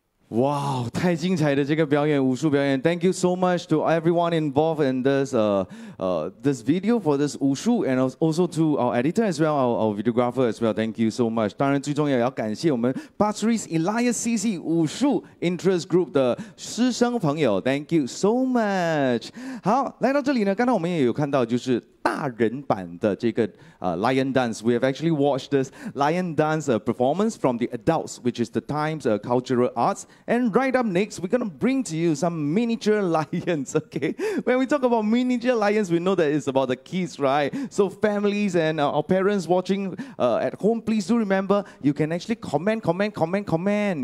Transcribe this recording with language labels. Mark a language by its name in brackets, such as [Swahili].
[Chinese] Wow, 太精彩的这个表演，武术表演. [English] Thank you so much to everyone involved in this this video for this 武术, and also to our editor as well, our videographer as well. Thank you so much. [Chinese] 当然最重要要感谢我们 Pasir Ris Elias CC 武术 Interest Group 的师生朋友. [English] Thank you so much. [Chinese] 好，来到这里呢，刚才我们也有看到就是。大人版的这个, Lion Dance. [English] We have actually watched this Lion Dance performance from the adults, which is the Times Cultural Arts. And right up next, we're going to bring to you some miniature lions, okay? When we talk about miniature lions, we know that it's about the kids, right? So families and our parents watching at home, please do remember, you can actually comment.